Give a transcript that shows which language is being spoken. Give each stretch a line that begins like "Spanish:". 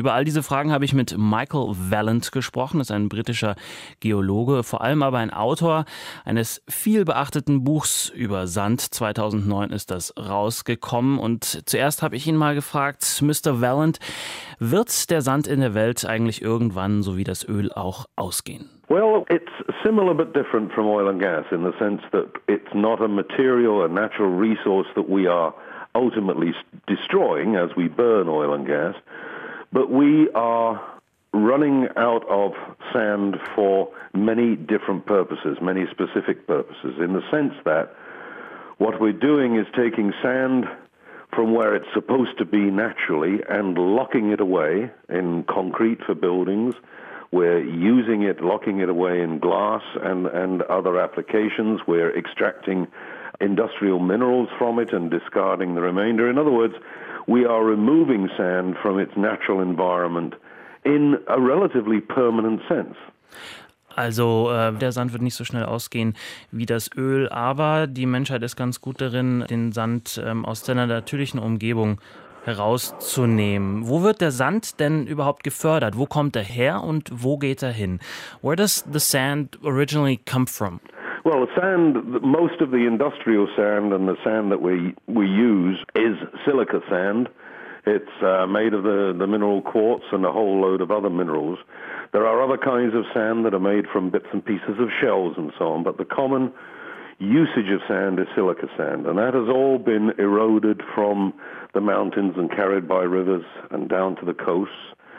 German: Über all diese Fragen habe ich mit Michael Vallant gesprochen, das ist ein britischer Geologe, vor allem aber ein Autor eines viel beachteten Buchs über Sand. 2009 ist das rausgekommen und zuerst habe ich ihn mal gefragt, Mr. Vallant, wird der Sand in der Welt eigentlich irgendwann, so wie das Öl, auch ausgehen?
English: Well, it's similar but different from oil and gas in the sense that it's not a material, a natural resource that we are ultimately destroying as we burn oil and gas, but we are running out of sand for many different purposes, many specific purposes, in the sense that what we're doing is taking sand from where it's supposed to be naturally and locking it away in concrete for buildings. We're using it, locking it away in glass and other applications. We're extracting industrial minerals from it and discarding the remainder. In other words, we are removing sand from its natural environment in a relatively permanent sense.
German: Also der Sand wird nicht so schnell ausgehen wie das Öl, aber die Menschheit ist ganz gut darin, den Sand aus seiner natürlichen Umgebung herauszunehmen. Wo wird der Sand denn überhaupt gefördert? Wo kommt er her und wo geht er hin?
English: Where does the sand originally come from? Well, the sand, most of the industrial sand and the sand that we use is silica sand. It's made of the mineral quartz and a whole load of other minerals. There are other kinds of sand that are made from bits and pieces of shells and so on, but the common usage of sand is silica sand, and that has all been eroded from the mountains and carried by rivers and down to the coasts.